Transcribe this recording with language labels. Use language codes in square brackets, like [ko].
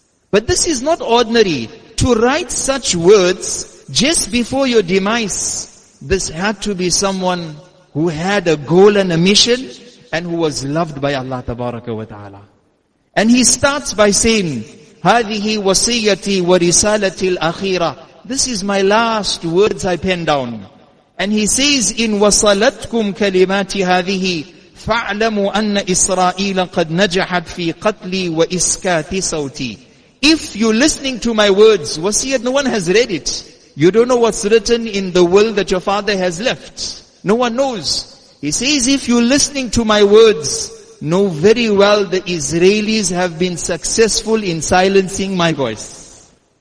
[en] But this is not ordinary. To write such words just before your demise, this had to be someone who had a goal and a mission and who was loved by Allah tabaraka wa ta'ala. And he starts by saying, [ar] هذه وصيتي ورسالتي الأخيرة. [en] This is my last words I pen down. And he says, [ar] إن وصلتكم كلمات هذه فاعلموا أن إسرائيل قد نجحت في قتلي وإسكات صوتي. [en] If you're listening to my words, wasiyat, no one has read it. You don't know what's written in the will that your father has left. No one knows. He says, if you're listening to my words, know very well the Israelis have been successful in silencing my voice.